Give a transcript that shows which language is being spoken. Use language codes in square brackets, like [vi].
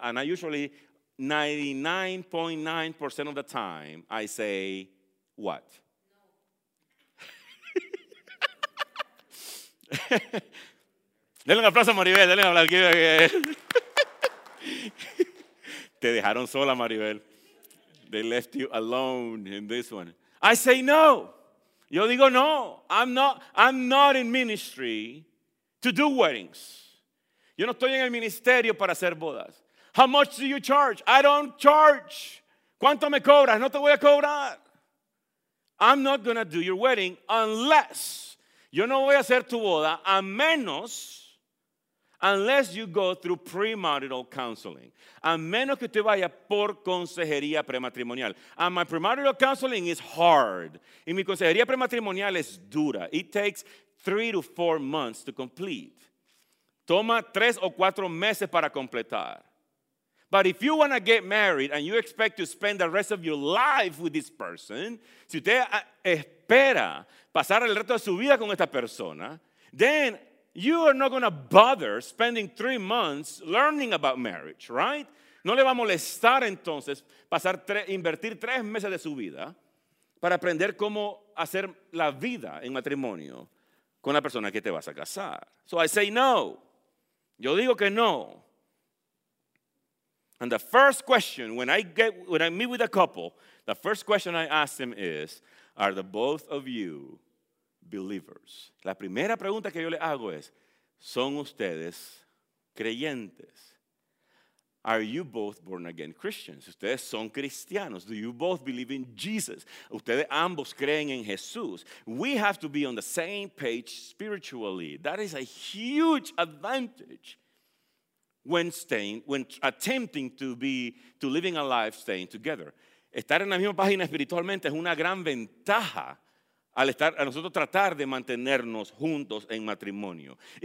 [en] And I usually, 99.9% of the time, I say, what? [es] No. Denle un aplauso a Maribel, denle un aplauso. Te dejaron sola, Maribel. [en] They left you alone in this one. I say no. [es] Yo digo no. [en] I'm not in ministry to do weddings. [es] Yo no estoy en el ministerio para hacer bodas. [en] How much do you charge? I don't charge. [es] ¿Cuánto me cobras? No te voy a cobrar. [en] I'm not going to do your wedding unless, [es] yo no voy a hacer tu boda a menos, [en] unless you go through premarital counseling. [es] A menos que usted vaya por consejería prematrimonial. [en] And my premarital counseling is hard. [es] Y mi consejería prematrimonial es dura. [en] It takes 3 to 4 months to complete. [es] Toma 3 o 4 meses para completar. [en] But if you want to get married and you expect to spend the rest of your life with this person, [es] si usted espera pasar el resto de su vida con esta persona, [en] then you are not going to bother spending 3 months learning about marriage, right? [es] No le va a molestar entonces pasar invertir 3 meses de su vida para aprender cómo hacer la vida en matrimonio con la persona que te vas a casar. [en] So I say no. [es] Yo digo que no. [en] And the first question when I meet with a couple, the first question I ask them is, are the both of you believers? [es] La primera pregunta que yo le hago es, ¿son ustedes creyentes? [en] Are you both born again Christians? [es] ¿Ustedes son cristianos? [en] Do you both believe in Jesus? [es] ¿Ustedes ambos creen en Jesús? [en] We have to be on the same page spiritually. That is a huge advantage when attempting to live a life staying together. [es] Estar en la misma página espiritualmente es una gran ventaja a nosotros tratar de mantenernos juntos en matrimonio.